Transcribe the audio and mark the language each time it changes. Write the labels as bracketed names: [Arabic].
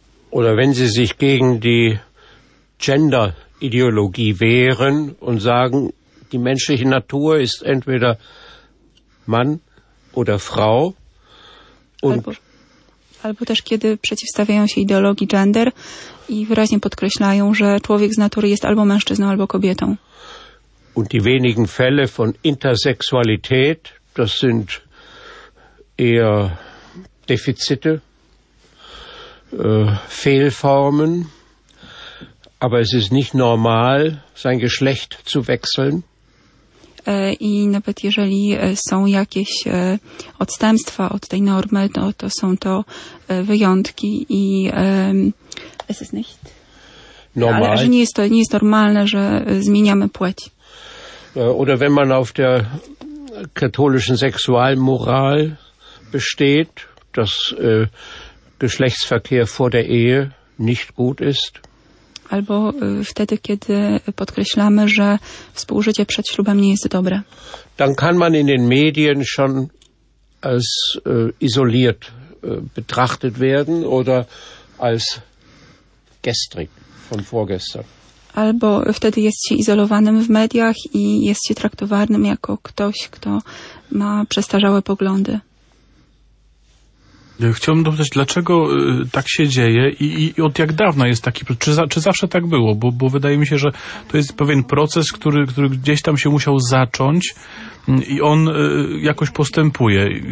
[German] Oder wenn sie sich gegen die Gender-Ideologie wehren und sagen, die menschliche Natur ist entweder Mann oder Frau. [Polish] Albo też kiedy przeciwstawiają się ideologii gender i wyraźnie podkreślają, że człowiek z natury jest albo mężczyzną, albo kobietą. [German] Und die wenigen Fälle von Intersexualität, das sind eher Defizite, Fehlformen, aber es ist nicht normal, sein Geschlecht zu wechseln. [Polish] I nawet jeżeli są jakieś odstępstwa od tej normy, to są to wyjątki i [German] es ist nicht normal. [Polish] Ale nie jest normalne, że zmieniamy płeć. [German] Oder wenn man auf der katholischen Sexualmoral besteht, dass Geschlechtsverkehr vor der Ehe nicht gut ist. [Polish] Albo wtedy, kiedy podkreślamy, że współżycie przed ślubem nie jest dobre. [German] Dann kann man in den Medien schon als isoliert betrachtet werden oder als gestrig von vorgestern. [Polish] Albo wtedy jest się izolowanym w mediach i jest się traktowanym jako ktoś, kto ma przestarzałe poglądy. Chciałbym dopytać, dlaczego tak się dzieje i od jak dawna jest taki, czy zawsze tak było, bo wydaje mi się, że to jest pewien proces, który gdzieś tam się musiał zacząć i on jakoś postępuje.